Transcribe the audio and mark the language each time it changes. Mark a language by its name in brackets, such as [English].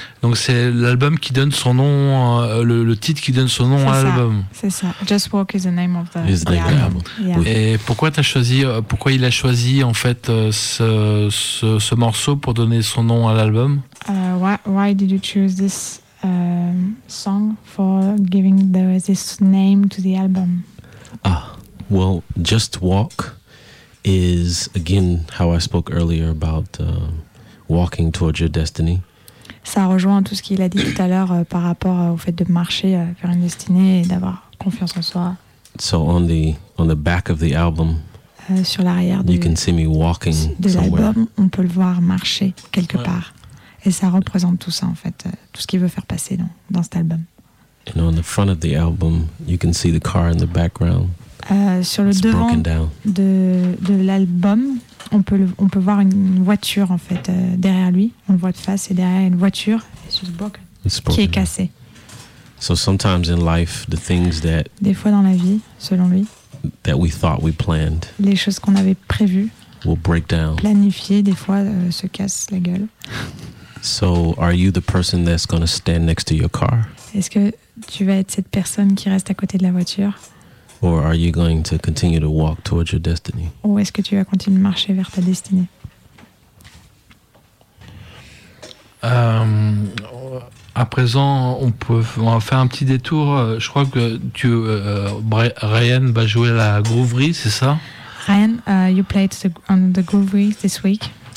[French] Donc c'est l'album qui donne son nom, le titre qui donne son nom c'est à ça. L'album. C'est ça. [English] Just Walk is the name of the album. Yeah. Yeah. [French] Et pourquoi t'as choisi, pourquoi il a choisi en fait ce morceau pour donner son nom à l'album? [English] Why did you choose this song for giving this name to the album? Well, Just Walk is again how I spoke earlier about walking towards your destiny. [French] Ça rejoint tout ce qu'il a dit tout à l'heure par rapport au fait de marcher vers une destinée et d'avoir confiance en soi. [English] So on the back of the album, [French] sur l'arrière [English] you can see me walking [French] de l'album, [English] somewhere. [French] On peut le voir marcher quelque part. Et ça représente tout ça en fait, tout ce qu'il veut faire passer dans cet album. [English] And on the front of the album, you can see the car in the background. [French] Sur le devant de l'album, on peut voir une voiture en fait derrière lui. On le voit de face et derrière une voiture qui est cassée. [English] So sometimes in life, the things that [French] des fois dans la vie, selon lui, [English] that we thought we planned, [French] les choses qu'on avait prévues, [English] will break down. [French] Planifiées, des fois se cassent la gueule. [English] So are you the person that's going to stand next to your car? [French] Est-ce que tu vas être cette personne qui reste à côté de la voiture? [English] Or are you going to continue to walk towards your destiny? [French] Ou est-ce que tu vas continuer de marcher vers ta destinée? À présent, on va faire un petit détour. Je crois que Ryan va jouer la Groovery, c'est ça? [English] Ryan, you played on the Groovery this week.